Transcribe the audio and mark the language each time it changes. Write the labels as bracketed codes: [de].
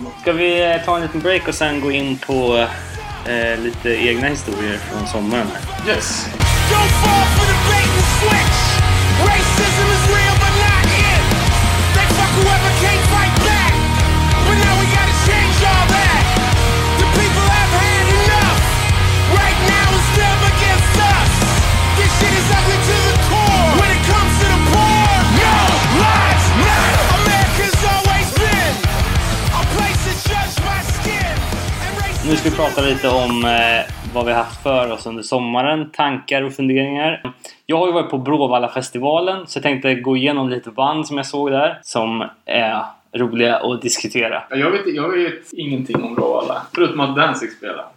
[sv] Ska vi ta en liten break och sen gå in på lite egna historier från sommaren här. [en] Yes. Don't fall for the bait and switch. Racism is real but not it. They fuck whoever can't fight back. But now we gotta change all that. The people have had enough. Right now it's them against us. This shit is ugly to the core. When it comes to the poor, no lives matter. America's always been a place to judge my skin. [sv] Nu ska vi prata lite om vad vi har haft för oss under sommaren, tankar och funderingar. Jag har ju varit på Bråvalla-festivalen, så jag tänkte gå igenom lite band som jag såg där, som är roliga att diskutera. Jag vet ingenting om Bråvalla, förutom att Danzig spelar.